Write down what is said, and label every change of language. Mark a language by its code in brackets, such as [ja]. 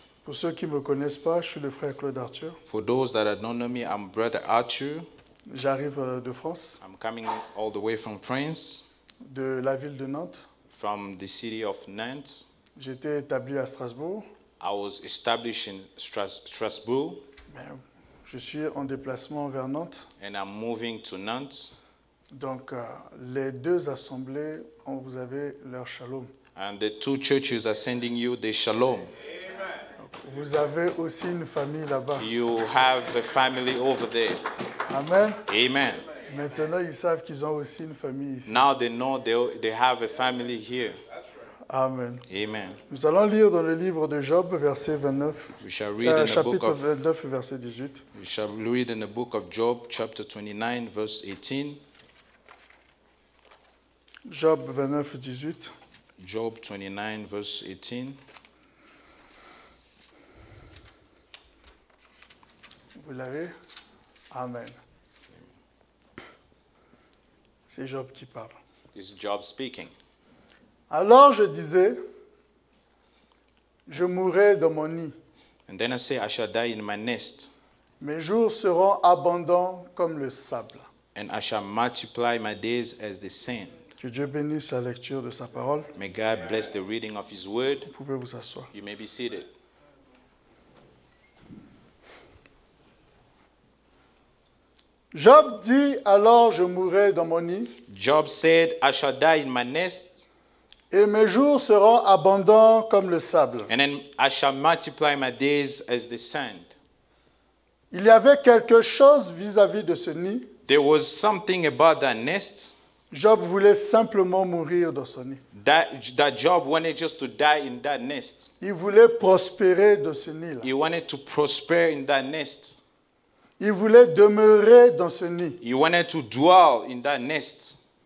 [fr] Pour ceux qui ne me connaissent pas, je suis le frère Claude Arthur. [en] For those that don't know me, I'm Brother Arthur. [fr] J'arrive de France. [en] I'm coming all the way from France. [fr] De la ville de Nantes. [en] From the city of Nantes. [fr] J'étais établi à Strasbourg. [en] I was established in Strasbourg. [fr] Mais je suis en déplacement vers Nantes. [en] And I'm moving to Nantes. [fr] Donc les deux assemblées, on vous avait leur shalom. [en] And the two churches are sending you their shalom. Amen. [fr] Vous avez aussi une famille là-bas. [en] You have a family over there. Amen. Amen. [fr] Maintenant, ils savent qu'ils ont aussi une famille ici. [en] Now they know they have a family here. Amen. Amen. [fr] Nous allons lire dans le livre de Job, verset 29. [en] We shall read in [fr] chapitre [en] the book of, [fr] 29, verset 18. [en] We shall read in the book of Job, chapter 29, verse 18. Job 29, 18. Job 29, verse 18. [fr] Vous l'avez? Amen. C'est Job qui parle. [en] It's Job speaking. [fr] Alors je disais, je mourrai dans mon nid. [en] And then I say, I shall die in my nest. [fr] Mes jours seront abondants comme le sable. [en] And I shall multiply my days as the sand. [fr] Que Dieu bénisse la lecture de sa parole. [en] May God bless the reading of his word. [fr] Vous pouvez vous asseoir. [en] You may be seated. [fr] Job dit, alors je mourrai dans mon nid. [en] Job said, I shall die in my nest. [fr] Et mes jours seront abondants comme le sable. [en] And then I shall multiply my days as the sand. [fr] Il y avait quelque chose vis-à-vis de ce nid. [en] There was something about that nest. [fr] Job voulait simplement mourir dans son nid. [en] That Job wanted just to die in that nest. [fr] Il voulait prospérer dans ce nid. [en] He wanted to prosper in that nest. [fr] Il voulait demeurer dans ce nid. [en] He wanted to dwell in that nest.